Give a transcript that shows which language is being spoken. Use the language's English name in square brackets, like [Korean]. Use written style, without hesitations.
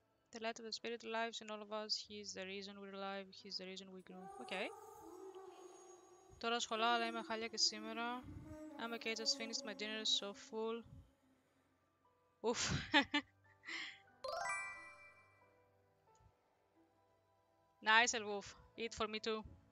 [English] The light of the spirit lives in all of us. He is the reason we're alive. He is the reason we grow. Okay. [Greek] Τώρα σχολά, αλλά είμαι χάλια και σήμερα. [English] I'm okay, just finished my dinner, so full. Oof. Nice, Elwolf. Eat for me too.